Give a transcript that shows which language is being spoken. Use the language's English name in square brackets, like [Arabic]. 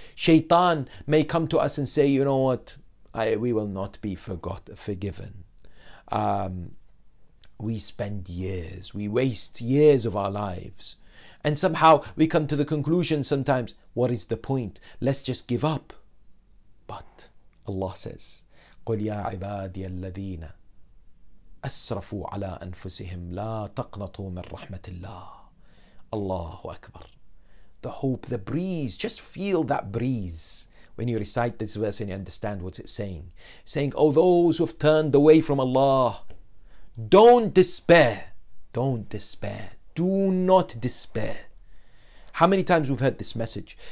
[English] Shaitan may come to us and say, you know what, we will not be forgiven. We spend years, we waste years of our lives. And somehow we come to the conclusion sometimes, what is the point? Let's just give up. But Allah says, [Arabic] قُلْ يَا عِبَادِيَ الَّذِينَ أَسْرَفُوا عَلَىٰ أَنفُسِهِمْ لَا تَقْنَطُوا مِنْ رَحْمَةِ اللَّهِ. [English] Allahu Akbar. The hope, the breeze, just feel that breeze when you recite this verse and you understand what it's saying. Saying, oh, those who have turned away from Allah, don't despair, don't despair. Do not despair. How many times we've heard this message?